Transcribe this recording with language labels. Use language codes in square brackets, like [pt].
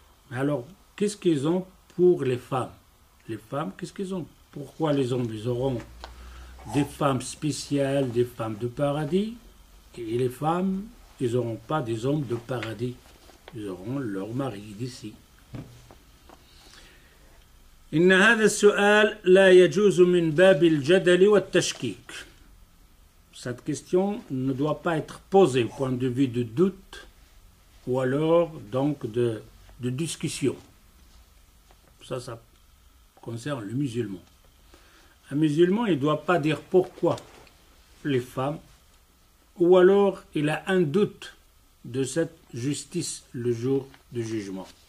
[fr] Mais alors, qu'est-ce qu'ils ont pour les femmes? Les femmes, qu'est-ce qu'ils ont? Pourquoi les hommes, ils auront des femmes spéciales, des femmes du paradis, et les femmes, ils n'auront pas des hommes de paradis? Ils auront leur mari d'ici. [ar] إن هذا السؤال لا يجوز من باب الجدل والتشكيك. [fr] Cette question ne doit pas être posée au point de vue de doute ou alors donc de discussion. Ça concerne le musulman. Un musulman, il ne doit pas dire pourquoi les femmes ou alors il a un doute de cette justice le jour du jugement.